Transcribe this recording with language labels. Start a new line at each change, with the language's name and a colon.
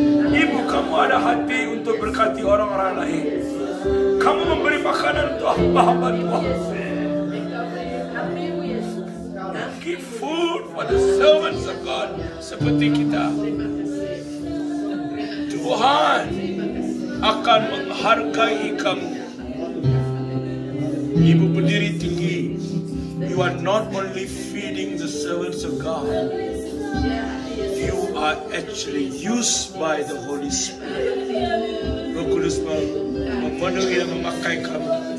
Malay: Ibu, kamu ada hati untuk berkati orang-orang lain. Kamu memberi makanan untuk hamba-hamba Tuhan.
English: Give food for the servants of God.
Malay: Seperti kita. Tuhan akan menghargai kamu. Ibu berdiri tinggi.
English: You are not only feeding the servants of God. You are actually used by the Holy Spirit.
Malay: Roh Kudus memenuhi dan memakai kamu.